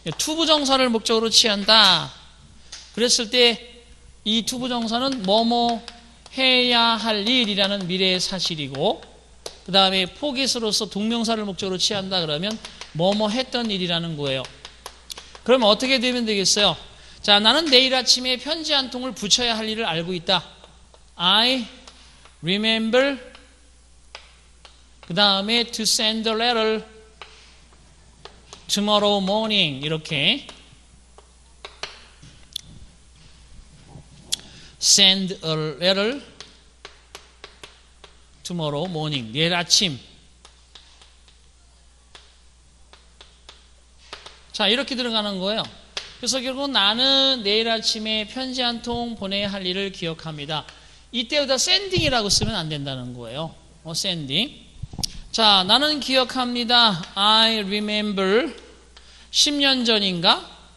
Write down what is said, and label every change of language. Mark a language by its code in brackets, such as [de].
[ko] 투부정사를 목적으로 취한다 그랬을 때 이 투부정사는 뭐뭐 해야 할 일이라는 미래의 사실이고, 그 다음에 포깃으로서 동명사를 목적으로 취한다 그러면 뭐뭐 했던 일이라는 거예요. 그러면 어떻게 되면 되겠어요? 자, 나는 내일 아침에 편지 한 통을 붙여야 할 일을 알고 있다. [en] I remember [ko] 그 다음에 [en] to send a letter tomorrow morning [ko] 이렇게 [en] send a letter tomorrow morning [ko] 내일 아침. 자, 이렇게 들어가는 거예요. 그래서 결국 나는 내일 아침에 편지 한 통 보내야 할 일을 기억합니다. 이때보다 sending이라고 쓰면 안 된다는 거예요. sending. 자, 나는 기억합니다. I remember 10년 전인가?